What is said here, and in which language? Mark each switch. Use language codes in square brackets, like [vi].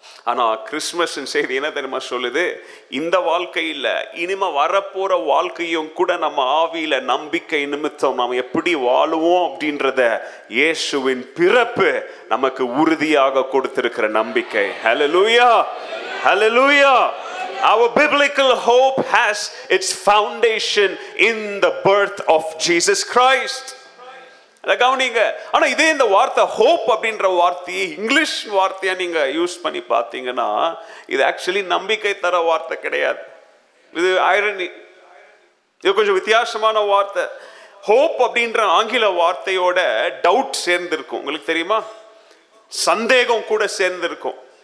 [ta] ஆனா கிறிஸ்துமஸ் செய்தி என்ன தெரியுமா சொல்லுது, இந்த வாழ்க்கையில் இனிமே வரப்போற வாழ்க்கையும் கூட நம்ம ஆவியில நம்பிக்கை நிமித்தம் நாம் எப்படி வாழுவோம் அப்படின்றத இயேசுவின் பிறப்பு நமக்கு உறுதியாக கொடுத்திருக்கிற நம்பிக்கை. ஹல்லேலூயா, ஹல்லேலூயா. [en] Our biblical hope has its foundation in the birth of Jesus Christ. [ta] கவனிங்க, ஆனா இதே இந்த வார்த்தை ஹோப் அப்படின்ற வார்த்தையை இங்கிலீஷ் வார்த்தையா நீங்க யூஸ் பண்ணி பாத்தீங்கன்னா இது ஆக்சுவலி நம்பிக்கை தர வார்த்தை கிடையாது. இது ஐரனி, இது கொஞ்சம் வித்தியாசமான வார்த்தை. ஹோப் அப்படின்ற ஆங்கில வார்த்தையோட டவுட் சேர்ந்திருக்கும், உங்களுக்கு தெரியுமா, சந்தேகம் கூட சேர்ந்திருக்கும்.